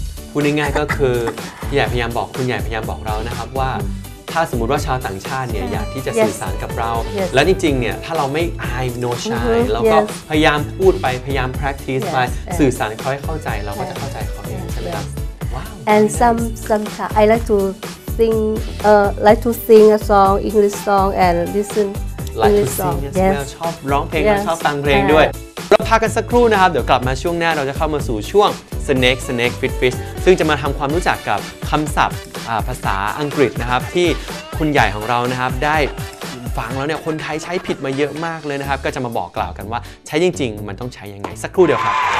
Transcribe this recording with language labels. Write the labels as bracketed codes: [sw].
[th] พูดง่ายๆก็คือพี่ใหญ่พยายามบอกคุณใหญ่พยายามบอกเรานะครับว่าถ้าสมมุติว่าชาวต่างชาติเนี่ยอยากที่จะสื่อสารกับเราและจริงๆเนี่ยถ้าเราไม่อาย [en] no shy [th] แล้วก็พยายามพูดไปพยายาม practice ไปสื่อสารเขาให้เข้าใจเราก็จะเข้าใจเขาเองใช่ไหมครับ [en] and sometimes I like to sing a song English song and listen English song yes [th] ชอบร้องเพลงชอบฟังเพลงด้วยเราพักกันสักครู่นะครับเดี๋ยวกลับมาช่วงหน้าเราจะเข้ามาสู่ช่วง snake fish ซึ่งจะมาทำความรู้จักกับคำศัพท์ภาษาอังกฤษนะครับที่คุณใหญ่ของเรานะครับได้ฟังแล้วเนี่ยคนไทยใช้ผิดมาเยอะมากเลยนะครับก็จะมาบอกกล่าวกันว่าใช้จริงๆมันต้องใช้ยังไงสักครู่เดียวครับ